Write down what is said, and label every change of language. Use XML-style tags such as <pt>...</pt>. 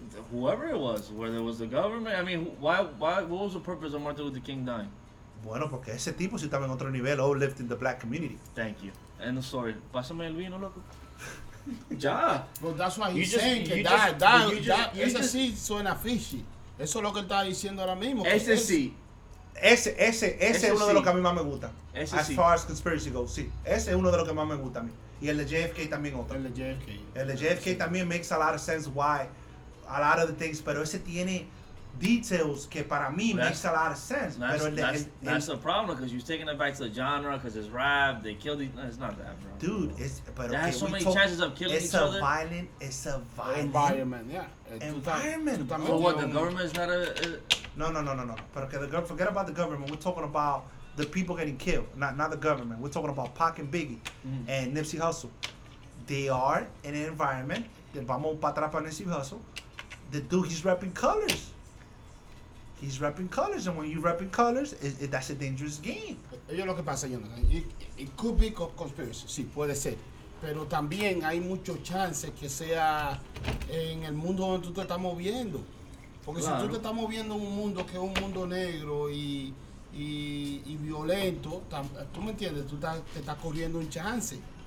<en>Whoever it was, whether it was the government. I mean, why? What was the purpose of Martin Luther King dying?</en> <es>Bueno, porque ese tipo si estaba en otro nivel,</es> <en>all lived in the black community. Thank you. And sorry,</en> <es>pásame el vino, loco. Ya.</es> <en>Well, that's why he's saying que that</en> <es>ese sí suena</es> <en>fishy.</en> <es>Eso es lo que él estaba diciendo ahora mismo. Ese sí. Ese es uno de los que a mí más me gusta.</es> <en>As far as conspiracy goes,</en> <es>sí. Ese es uno de los que más me gusta a mí. Y el de JFK también otro. El de JFK</es> <en>también makes a lot of sense why a lot of the things,</en> <es>pero ese tiene</es> <en>details</en> <es>que para mí</es> <en>makes a lot of sense. That's the problem because you're taking it back to the genre because it's rap. They killed each other. It's not that, bro. Dude, it's but that okay, has so many chances of killing each other. It's a violent environment. Yeah, environment. So what? The government is not a no. But okay, forget about the government. We're talking about the people getting killed, not the government. We're talking about Pac and Biggie and Nipsey Hussle. They are in an environment.</en> <es>Vamos para atrás para Nipsey Hussle.</es> <en>The dude, he's repping colors. He's repping colors, and when you're repping colors, that's a dangerous game.</en> <es>Eso es lo que pasa, Jonathan.</es> <en>It could be conspiracy.</en> <es>Sí, puede ser. Pero también hay muchos chances que sea en el mundo donde tú te estás moviendo. Porque claro. Si tú te estás moviendo en un mundo que es un mundo negro y violento, tú me entiendes, te estás corriendo un chance.</es>